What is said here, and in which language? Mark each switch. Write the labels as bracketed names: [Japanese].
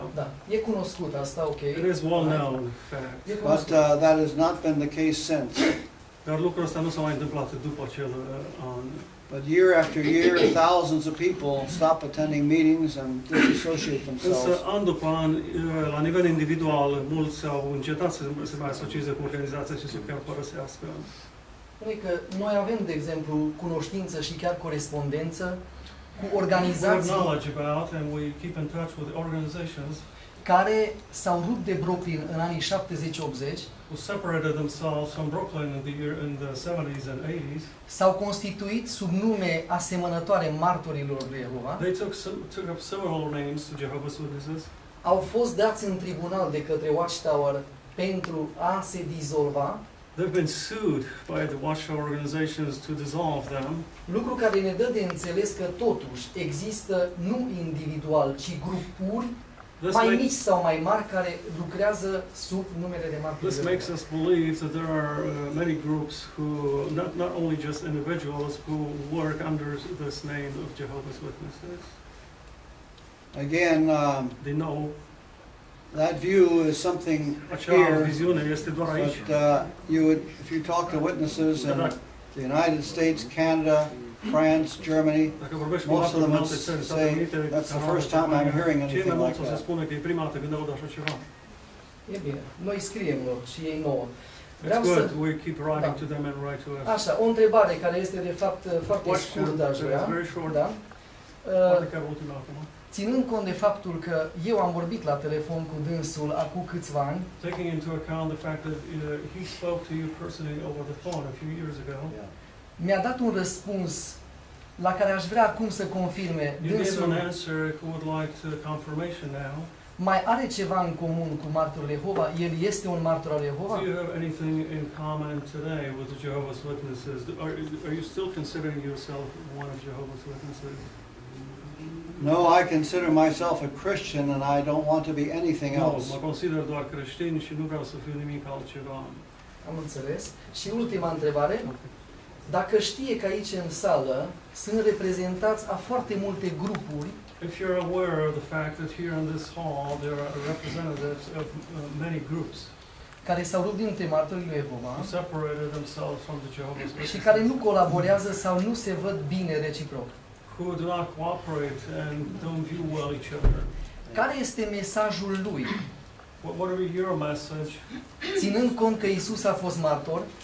[Romanian] Da. E cunoscut asta, ok. [English] It is well known fact. But that has not been the case since. [Romanian] Dar lucrul ăsta nu s-a mai întâmplat după acel an. [English] But year after year, thousands of people stop attending meetings and disassociate themselves. [Romanian] Însă, an după an, la nivel individual, mulți au încetat să se mai asocieze cu organizația și să chiar părăsească. Noi avem, de exemplu, cunoștință și chiar corespondență cu organizații care s-au rupt de Brooklyn în anii 70-80, [English] who separated themselves from Brooklyn in the 70s and 80s, [Romanian] s-au constituit sub nume asemănătoare martorilor lui Jehova. [English] They took up several names to Jehovah's Witnesses. [Romanian] Au fost dați în tribunal de către Watchtower pentru a se dizolva. [English] They've been sued by the Watchtower organizations to dissolve them. [Romanian] Lucru care ne dă de înțeles că totuși există nu individual, ci grupuri mai mici sau mai mari care lucrează sub numele de martori. [English] This makes us believe that there are many groups who not only just individuals who work under this name of Jehovah's Witnesses. Again, they know that view is something here. But if you talk to witnesses in the United States, Canada, France, Germany, most of them say that's the first time I'm hearing anything like that. It's good. We keep writing to them and write to us. [Romanian] Așa, o întrebare care este de fapt foarte scurtă, dar vreau. [English] It's very short. [Romanian] Da. Ținând cont de faptul că eu am vorbit la telefon cu dânsul acum câțiva ani. [English] Taking into account the fact that he spoke to you personally over the phone a few years ago. [Romanian] Mi-a dat un răspuns la care aș vrea acum să confirme dânsul. [English] You gave an answer who would like to confirmation now. [Romanian] Mai are ceva în comun cu martorul Jehova? El este un martor al Jehova? [English] Do you have anything in common today with the Jehovah's Witnesses? Are you still considering yourself one of Jehovah's Witnesses? No, I consider myself a Christian and I don't want to be anything else. [Romanian] Mă consider doar creștin și nu vreau să fiu nimic altceva. Am înțeles. Și ultima întrebare. Dacă știe că aici în sală sunt reprezentați a foarte multe grupuri, [English] if you're aware of the fact that here in this hall there are representatives of many groups [Romanian] care s-au rupt dintre martorii lui Jehova [English] separated themselves from the Jehovah's [Romanian] Witnesses și care nu colaborează sau nu se văd bine reciproc, [English] who do not cooperate and don't view well each other. [Romanian] Care este mesajul lui? [English] What are your message? [Romanian] Ținând cont că Iisus a fost martor,